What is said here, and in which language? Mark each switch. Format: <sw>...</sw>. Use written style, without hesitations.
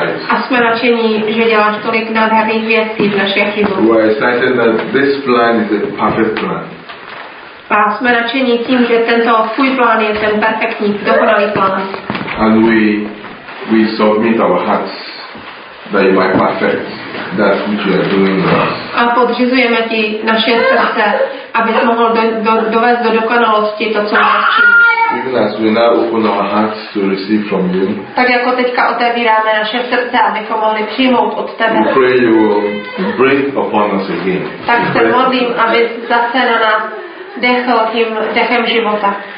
<cs>a jsme nadšení, že děláš tolik nádherných věcí v našich životech.</cs> <en>We are excited that this plan is a perfect plan.</en> <cs>A jsme nadšení tím, že tento tvůj plán je ten perfektní, dokonalý plán.</cs> <en>And we submit our hearts that you might perfect that which you are doing in us.</en> <cs>A podřizujeme ti naše srdce, abys mohl dovést do dokonalosti to, co máš činit.</cs> <en>Even as we now open our hearts to receive from you,</en> <cs>tak jako teďka otevíráme naše srdce, abychom mohli přijmout od tebe.</cs> <en>We pray you will breathe upon us again.</en> <cs>Tak se modlím, aby zase na nás dechl tím dechem života.</cs>